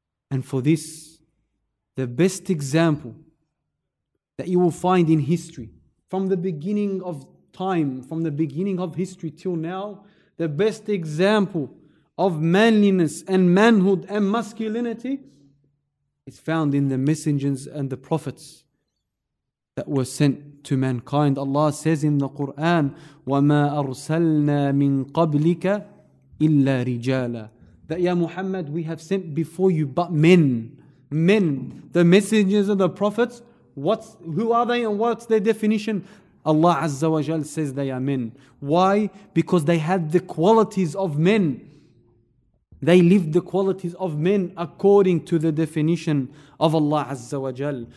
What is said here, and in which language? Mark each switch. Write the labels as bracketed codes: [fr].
[en] And for this, the best example that you will find in history, from the beginning of time, from the beginning of history till now, the best example of manliness and manhood and masculinity is found in the messengers and the prophets that were sent to mankind. [ar] Allah says in the Quran, وَمَا أَرْسَلْنَا مِنْ قَبْلِكَ إِلَّا رِجَالًا. [en] That, Ya Muhammad, we have sent before you but men. Men, the messengers and the prophets, who are they and what's their definition? Allah Azza wa Jal says they are men. Why? Because they had the qualities of men. They lived the qualities of men according to the definition of Allah Azza wa Jal.